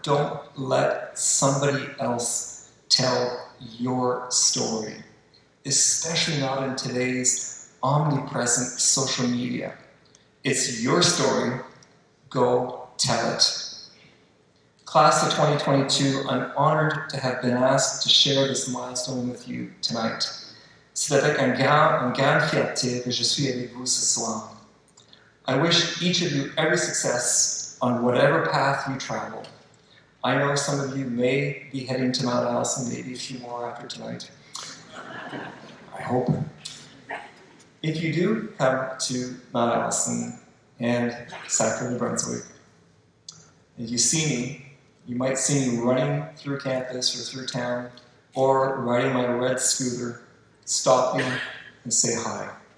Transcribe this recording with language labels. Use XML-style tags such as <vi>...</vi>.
<en>Don't let somebody else tell your story, especially not in today's omnipresent social media. It's your story. Go tell it. Class of 2022, I'm honored to have been asked to share this milestone with you tonight.</en> <fr>C'est avec une grande fierté que je suis avec vous ce soir.</fr> <en>I wish each of you every success on whatever path you travel. I know some of you may be heading to Mount Allison, maybe a few more after tonight. I hope. If you do come to Mount Allison and Sackville, New Brunswick, and you see me, you might see me running through campus or through town, or riding my red scooter, stop me and say hi.</en>